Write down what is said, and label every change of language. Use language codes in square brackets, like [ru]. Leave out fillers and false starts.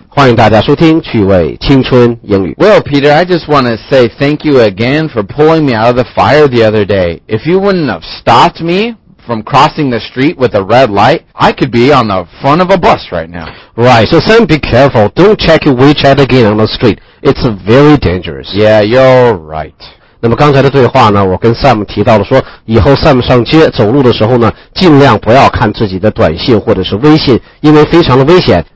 [zh] 欢迎大家收听趣味青春英语。 [en] Well, Peter, I just want to say thank you again for pulling me out of the fire the other day. If you wouldn't have stopped me from crossing the street with a red light, I could be on the front of a bus right now. Right, so Sam, be careful. Don't check your WeChat again on the street. It's very dangerous. Yeah, you're right. [zh] 那么刚才的对话呢，我跟 Sam 提到了说，以后 Sam 上街走路的时候呢，尽量不要看自己的短信或者是微信，因为非常的危险。